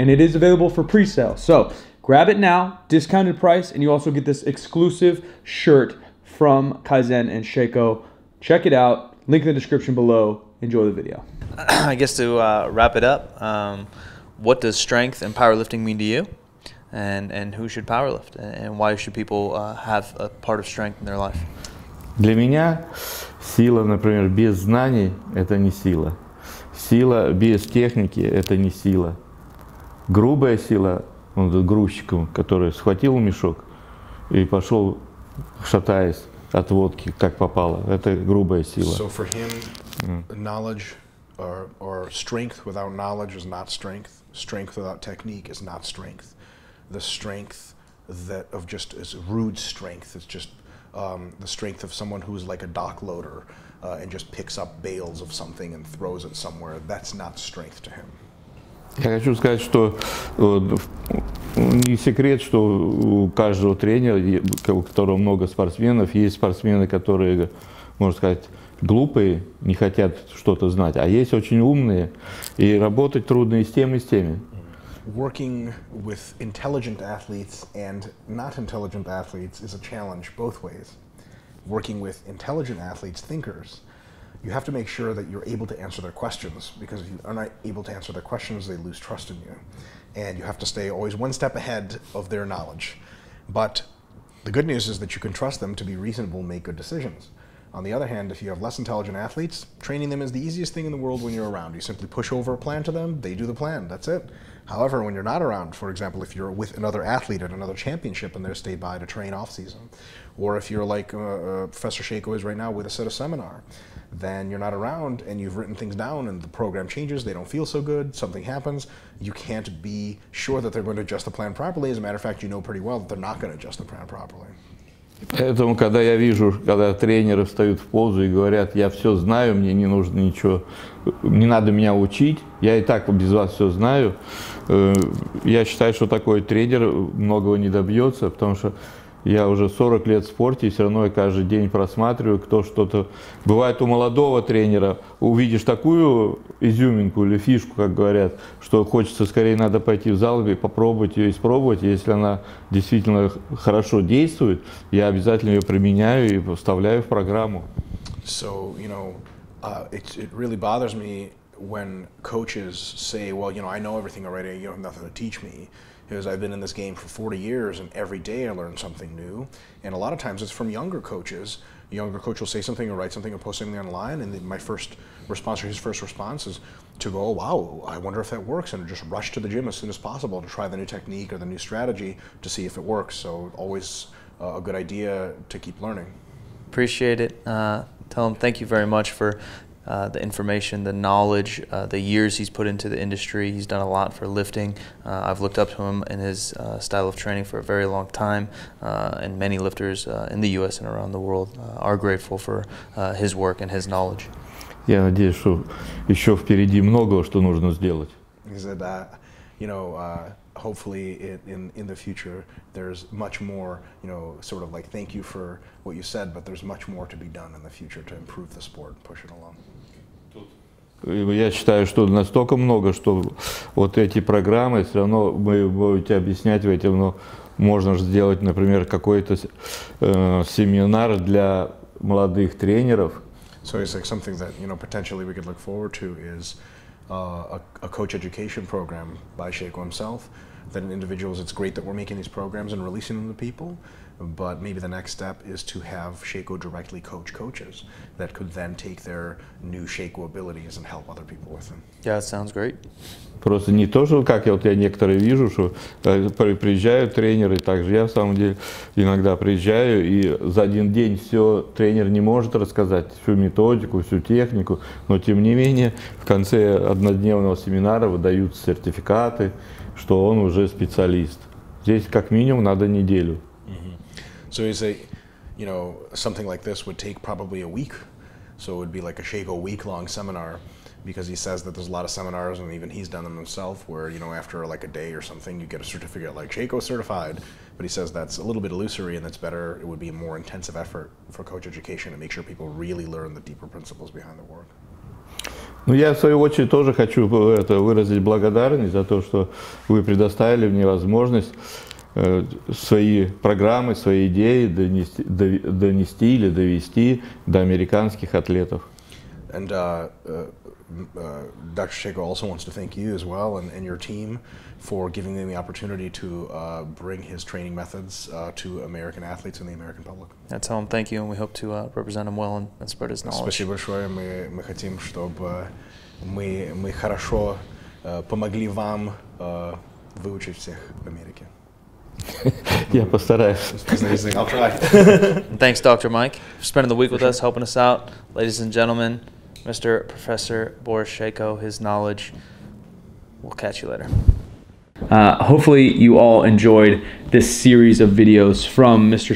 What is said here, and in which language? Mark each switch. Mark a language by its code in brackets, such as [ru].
[en] And it is available for pre-sale. So grab it now, discounted price, and you also get this exclusive shirt from Kizen and Sheiko. Check it out. Link in the description below. Enjoy the video. I guess to wrap it up, what does strength and powerlifting mean to you? And who should powerlift, and why should people have a part of strength in their life? [ru] Для меня сила, например, без знаний – это не сила. Сила без техники – это не сила. Грубая сила, он этот грузчик, который схватил мешок и пошел, шатаясь от водки, как попало – это грубая сила. [en] So for him, knowledge or strength without knowledge is not strength. Strength without technique is not strength. The strength that of just is rude strength. It's just the strength of someone who is like a dock loader and just picks up bales of something and throws it somewhere. That's not strength to him. [ru] Я хочу сказать, что не секрет, что у каждого тренера, у которого много спортсменов, есть спортсмены, которые, можно сказать, глупые, не хотят что-то знать, а есть очень умные, и работать трудно и с тем, и с теми. [en] Working with intelligent athletes and not intelligent athletes is a challenge both ways. Working with intelligent athletes, thinkers, you have to make sure that you're able to answer their questions, because if you are not able to answer their questions, they lose trust in you. And you have to stay always one step ahead of their knowledge. But the good news is that you can trust them to be reasonable and make good decisions. On the other hand, if you have less intelligent athletes, training them is the easiest thing in the world when you're around. You simply push over a plan to them, they do the plan, that's it. However, when you're not around, for example, if you're with another athlete at another championship and they're stayed by to train off season, or if you're like Professor Sheiko is right now with a set of seminar, then you're not around and you've written things down and the program changes, they don't feel so good, something happens, you can't be sure that they're going to adjust the plan properly. As a matter of fact, you know pretty well that they're not going to adjust the plan properly. [ru] Поэтому, когда я вижу, когда тренеры встают в позу и говорят, я все знаю, мне не нужно ничего, не надо меня учить, я и так без вас все знаю, я считаю, что такой тренер многого не добьется, потому что я уже 40 лет в спорте, и все равно я каждый день просматриваю, кто что-то... Бывает у молодого тренера, увидишь такую изюминку или фишку, как говорят, что хочется скорее надо пойти в зал и попробовать ее испробовать. Если она действительно хорошо действует, я обязательно ее применяю и вставляю в программу. [en] So, you know, it really bothers me when coaches say, well, you know, I know everything already, you have nothing to teach me. Because I've been in this game for 40 years and every day I learn something new. And a lot of times it's from younger coaches. A younger coach will say something or write something or post something online, and then my first response or his first response is to go, oh, wow, I wonder if that works, and just rush to the gym as soon as possible to try the new technique or the new strategy to see if it works. So always a good idea to keep learning. Appreciate it. Tell him thank you very much for the information, the knowledge, the years he's put into the industry. He's done a lot for lifting. I've looked up to him and his style of training for a very long time, and many lifters in the U.S. and around the world are grateful for his work and his knowledge. [ru] Я надеюсь, что еще впереди многого, что нужно сделать. [en] He said that, you know, hopefully in the future there's much more, you know, sort of like thank you for what you said, but there's much more to be done in the future to improve the sport and push it along. [ru] Я считаю, что настолько много, что вот эти программы, все равно мы будете объяснять в этом, но можно же сделать, например, какой-то семинар для молодых тренеров. [en] So it's like something that, you know, potentially we could look forward to is a coach education program by Sheiko himself, than individuals. It's great that we're making these programs and releasing them to people, but maybe the next step is to have Sheiko directly coach coaches that could then take their new Sheiko abilities and help other people with them. Yeah, that sounds great. [ru] Просто не то, что как я вот я некоторые вижу, что приезжают тренеры, также я в самом деле иногда приезжаю, и за один день все тренер не может рассказать всю методику, всю технику, но тем не менее в конце однодневного семинара выдаются сертификаты, что он уже специалист. Здесь как минимум надо неделю. [en] So you say, you know, something like this would take probably a week. So it would be like a Sheiko week-long seminar, because he says that there's a lot of seminars, and even he's done them himself, where, you know, after like a day or something, you get a certificate like Sheiko certified. But he says that's a little bit illusory, and that's better. It would be a more intensive effort for coach education to make sure people really learn the deeper principles behind the work. [ru] Ну, я, в свою очередь, тоже хочу это выразить благодарность за то, что вы предоставили мне возможность свои программы, свои идеи донести или довести до американских атлетов. [en] And Dr. Sheiko also wants to thank you as well and your team for giving him the opportunity to bring his training methods to American athletes and the American public. I tell him thank you, and we hope to represent him well and spread his knowledge. [ru] Спасибо большое. Мы хотим, чтобы мы хорошо помогли вам выучить всех в Америке. Yeah, постараюсь. [en] I'll try. Thanks, Dr. Mike, for spending the week with us, helping us out. Ladies and gentlemen, Mr. Professor Boris Sheiko, his knowledge. We'll catch you later. Hopefully you all enjoyed this series of videos from Mr.